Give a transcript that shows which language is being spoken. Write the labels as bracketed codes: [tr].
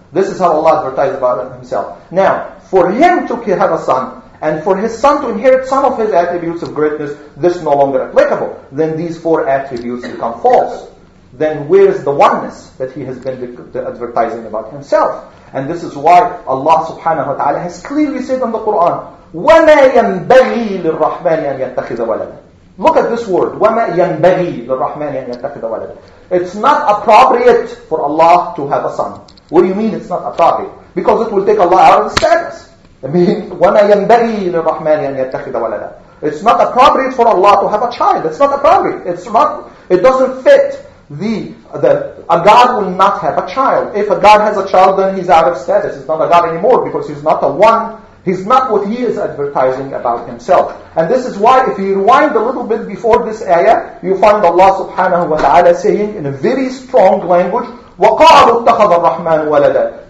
[en] This is how Allah advertised about himself. Now, for him to have a son, and for his son to inherit some of his attributes of greatness, this is no longer applicable. Then these four attributes become false. Then where is the oneness that he has been advertising about himself? And this is why Allah subhanahu wa ta'ala has clearly said in the Quran, [ar] وَمَا يَنْبَغِي لِلرَّحْمَنِ أَنْ يَتَّخِذَ وَلَدًا. [en] Look at this word, [ar] وَمَا يَنْبَغِي لِلرَّحْمَنِ أَنْ يَتَّخِذَ وَلَدًا. [en] It's not appropriate for Allah to have a son. What do you mean it's not appropriate? Because it will take Allah out of the status. I mean, [ar] وَمَا يَنْبَغِي لِلرَّحْمَنِ أَنْ يَتَّخِذَ وَلَدًا. [en] It's not appropriate for Allah to have a child. It's not appropriate. It doesn't fit. A God will not have a child. If a God has a child, then he's out of status. He's not a God anymore because he's not the one. He's not what he is advertising about himself. And this is why if you rewind a little bit before this ayah, you find Allah subhanahu wa ta'ala saying in a very strong language, [ar] وَقَالُوا اتَّخَذَ الرَّحْمَنُ وَلَدًا.